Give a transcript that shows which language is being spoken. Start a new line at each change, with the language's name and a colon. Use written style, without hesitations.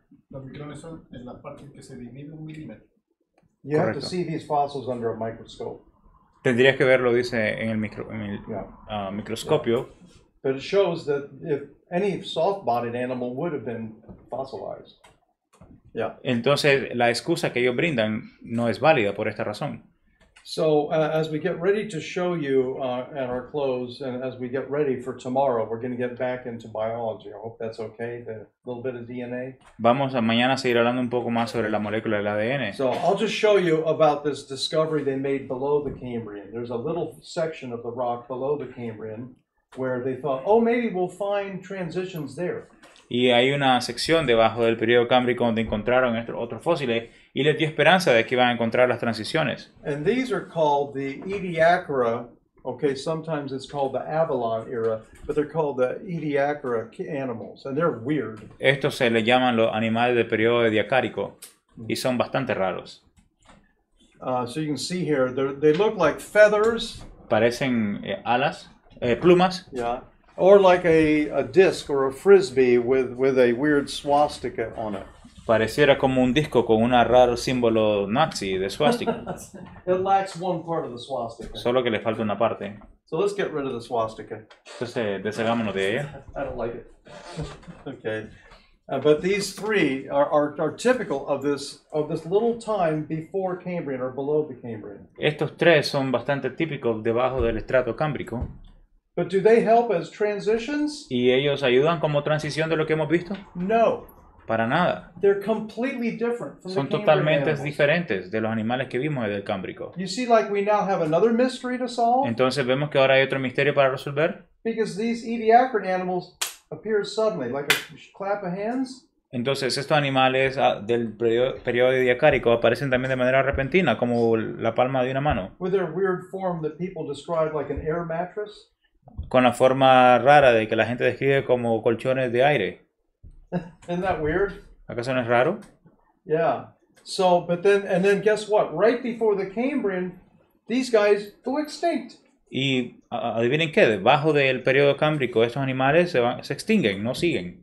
Spanish: Los micrones son en la parte que se divide un milímetro.
English: You Correcto. Have to see these fossils under a microscope.
Spanish: Tendrías que verlo, dice, en el micro, en el microscopio.
English: Yeah. But it shows that if any soft-bodied animal would have been fossilized. Yeah.
Spanish: Entonces, la excusa que ellos brindan no es válida por esta razón.
English: So as we get ready to show you at our close, and as we get ready for tomorrow, we're going to get back into biology. I hope that's okay, a little bit of DNA.
Spanish: Vamos a mañana seguir hablando un poco más sobre la molécula del ADN.
English: So I'll just show you about this discovery they made below the Cambrian. There's a little section of the rock below the Cambrian where they thought, oh, maybe we'll find transitions there.
Spanish: Y hay una sección debajo del periodo cámbrico donde encontraron otros fósiles y les dio esperanza de que iban a encontrar las transiciones.
English: And these are called the Ediacara Okay, sometimes it's called the Avalon era, but they're called the Ediacara animals, and they're weird.
Spanish: Estos se le llaman los animales del periodo de Diacárico y son bastante raros.
English: So you can see here, they look like feathers.
Spanish: Parecen alas, plumas.
English: Yeah. Or like a disc or a frisbee with a weird swastika on it.
Spanish: Pareciera como un disco con un raro símbolo nazi de swastika.
English: It lacks one part of the swastika.
Spanish: Solo que le falta una parte.
English: So let's get rid of the swastika.
Spanish: Entonces, deshagámonos de ella.
English: I don't like it. Okay. But these three are typical of this little time before Cambrian or below the Cambrian.
Spanish: Estos tres son bastante típicos debajo del estrato cámbrico.
English: But do they help as transitions?
Spanish: ¿Y ellos ayudan como transición de lo que hemos visto?
English: No.
Spanish: Para nada.
English: They're completely different from
Spanish: Son
English: the
Spanish: totalmente
English: animals.
Spanish: Diferentes de los animales que vimos desde el Cámbrico.
English: You see, like we now have another mystery to solve.
Spanish: Entonces vemos que ahora hay otro misterio para resolver.
English: Because these Ediacaran animals appear suddenly, like a clap of hands.
Spanish: Entonces estos animales del periodo Diacárico aparecen también de manera repentina, como la palma de una mano.
English: With their weird form that people describe like an air mattress.
Spanish: Con la forma rara de que la gente describe como colchones de aire.
English: Isn't that weird?
Spanish: ¿Acaso no es raro?
English: Yeah. So, but then, and then guess what? Right before the Cambrian, these guys go extinct.
Spanish: Y adivinen qué, debajo del periodo cámbrico, estos animales se extinguen, no siguen.